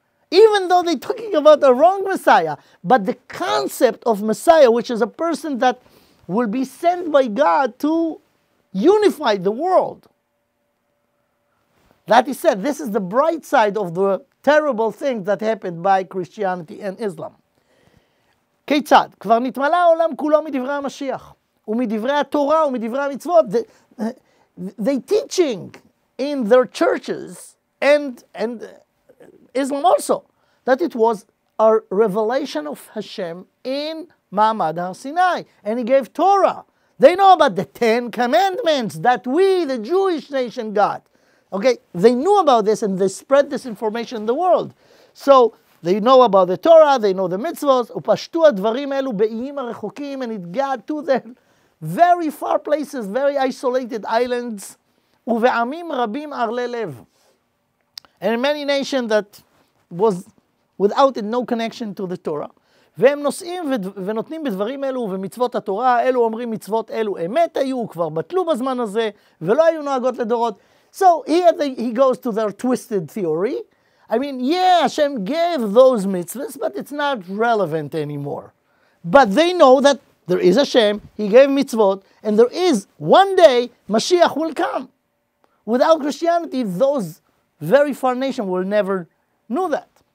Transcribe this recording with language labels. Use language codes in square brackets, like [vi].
[en] Even though they're talking about the wrong Messiah, but the concept of Messiah, which is a person that will be sent by God to unify the world, that he said, this is the bright side of the terrible things that happened by Christianity and Islam. [he] Keitzad, כבר נתמלא העולם כולו מדברי המשיח, ומדברי התורה ומדברי המצוות. [en] They teaching in their churches and Islam also, that it was a revelation of Hashem in Ma'amad Har Sinai, and he gave Torah. They know about the Ten Commandments that we, the Jewish nation, got. Okay, they knew about this and they spread this information in the world. So they know about the Torah, they know the mitzvot, [he] ופשטו הדברים אלו באיים הרחוקים, [en] and it got to the very far places, very isolated islands, [he] Uve'amim rabim arle lev. [en] And many nations that was without it, no connection to the Torah. [he] והם נושאים ונותנים בדברים אלו ומצוות התורה, אלו אומרים מצוות אלו אמת היו, כבר בטלו בזמן הזה, ולא היו נוהגות לדורות. [en] So here he goes to their twisted theory. I mean, yeah, Hashem gave those mitzvahs, but it's not relevant anymore. But they know that there is Hashem, he gave mitzvot, and there is one day Mashiach will come. Without Christianity, those very far nations will never know that.